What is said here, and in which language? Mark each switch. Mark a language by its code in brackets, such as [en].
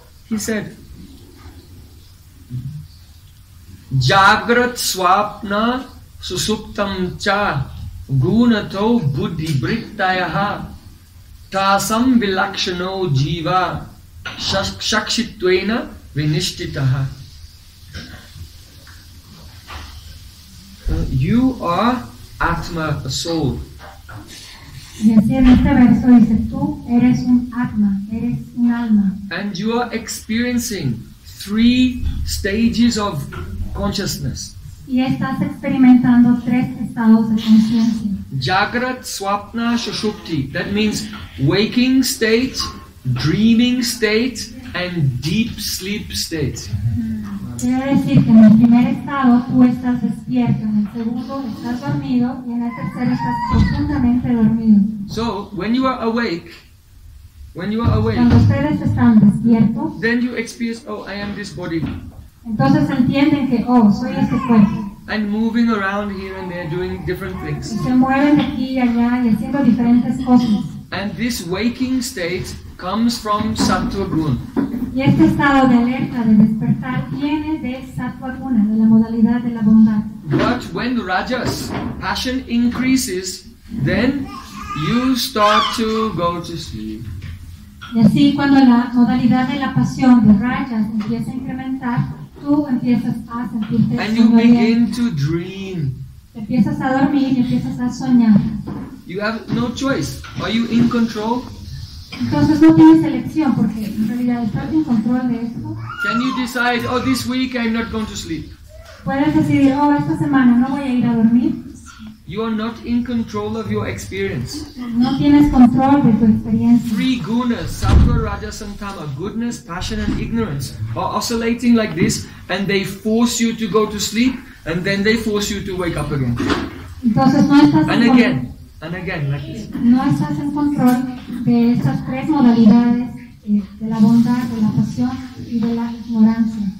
[sa] He said, Jagrat Swapna Susuptam Cha Gunato Buddhi Brittayaha Tasam Vilakshano Jiva Shakshitvena Vinishtitaha. [en] You are Atma, a soul. [es] Y así en este verso dice, tú eres un Atma, eres un alma. [en] And you are experiencing three stages of consciousness. [es] Y estás experimentando tres estados de conciencia. [sa] Jagrat, Swapna, Sushupti. [en] That means waking state, dreaming state, and deep sleep state. [es] Quiere decir que en el primer estado tú estás despierto, en el segundo estás dormido, y en el tercero estás profundamente dormido. [en] So, when you are awake, when you are awake, [es] cuando ustedes están despiertos, [en] then you experience, oh, I am this body. [es] Entonces entienden que, oh, soy este cuerpo. [en] And moving around here and there doing different things. [es] Y se mueven aquí y allá y haciendo diferentes cosas. [en] And this waking state comes from sattva-guna. [es] Y este estado de alerta, de despertar, viene de sattva-guna, de la modalidad de la bondad. [en] But when rajas, passion increases, then you start to go to sleep. [es] Y así cuando la modalidad de la pasión, de rajas, empieza a incrementar, [en] and you begin to dream. [es] Empiezas a dormir y empiezas a soñar. [en] You have no choice. Are you in control? [es] Entonces no tienes elección porque en realidad estás en control de esto. [en] Can you decide, oh, this week I'm not going to sleep? [es] Puedes decidir, oh, esta semana no voy a ir a dormir. [en] You are not in control of your experience. [es] No tienes control de tu experiencia. [en] Three gunas, sattva, rajas and tama, goodness, passion and ignorance, are oscillating like this and they force you to go to sleep and then they force you to wake up again. [es] Entonces, no estás [en] and again, control. And again, like this. [es] No estás en control de esas tres modalidades, de la bondad, de la pasión y de la ignorancia.